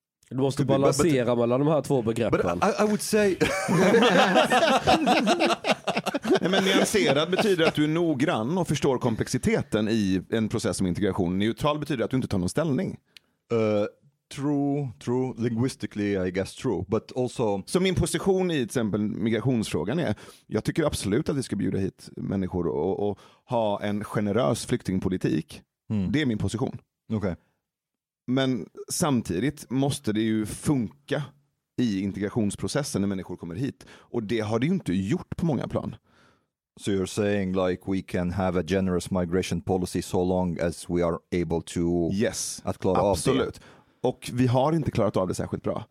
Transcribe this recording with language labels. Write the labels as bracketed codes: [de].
[sv] du måste balansera mellan de här två begreppen. [en] But I would say [sv] nej, men nyanserad betyder att du är noggrann och förstår komplexiteten i en process som integration. Neutral betyder att du inte tar någon ställning. [en] True, linguistically I guess true, but also [sv] så min position i till exempel migrationsfrågan är, jag tycker absolut att vi ska bjuda hit människor och ha en generös flyktingpolitik. Mm. Det är min position. Okej. [en] Okay. [sv] Men samtidigt måste det ju funka i integrationsprocessen när människor kommer hit. Och det har det ju inte gjort på många plan. [en] So you're saying like we can have a generous migration policy so long as we are able to... Yes, [sv] att klara absolut. Av det. Och vi har inte klarat av det särskilt bra.